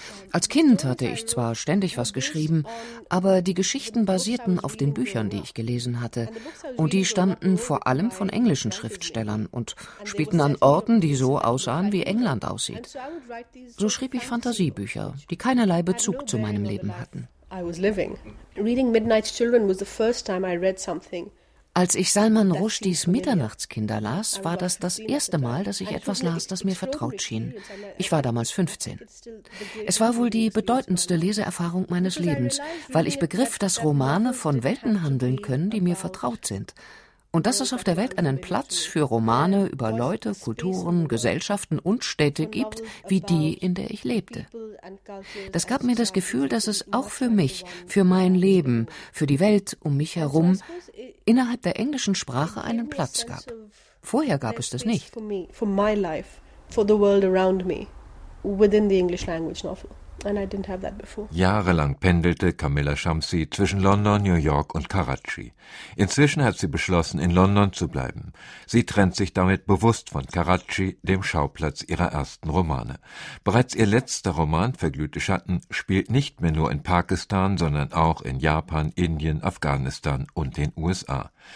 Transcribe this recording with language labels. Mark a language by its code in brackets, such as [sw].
[de] Als Kind hatte ich zwar ständig was geschrieben, aber die Geschichten basierten auf den Büchern, die ich gelesen hatte. Und die stammten vor allem von englischen Schriftstellern und spielten an Orten, die so aussahen, wie England aussieht. So schrieb ich Fantasiebücher, die keinerlei Bezug zu meinem Leben hatten. [en] Reading Midnight's Children was the first time I read something. [de] Als ich Salman Rushdies Mitternachtskinder las, war das das erste Mal, dass ich etwas las, das mir vertraut schien. Ich war damals 15. Es war wohl die bedeutendste Leseerfahrung meines Lebens, weil ich begriff, dass Romane von Welten handeln können, die mir vertraut sind. Und dass es auf der Welt einen Platz für Romane über Leute, Kulturen, Gesellschaften und Städte gibt, wie die, in der ich lebte. Das gab mir das Gefühl, dass es auch für mich, für mein Leben, für die Welt um mich herum, innerhalb der englischen Sprache einen Platz gab. Vorher gab es das nicht. [en] For my life, for the world around me, within the English language novel. And I didn't have that before. [de] Jahrelang pendelte Camilla Shamsi zwischen London, New York und Karachi. Inzwischen hat sie beschlossen, in London zu bleiben. Sie trennt sich damit bewusst von Karachi, dem Schauplatz ihrer ersten Romane. Bereits ihr letzter Roman, Verglühte Schatten, spielt nicht mehr nur in Pakistan, sondern auch in Japan, Indien, Afghanistan und den USA.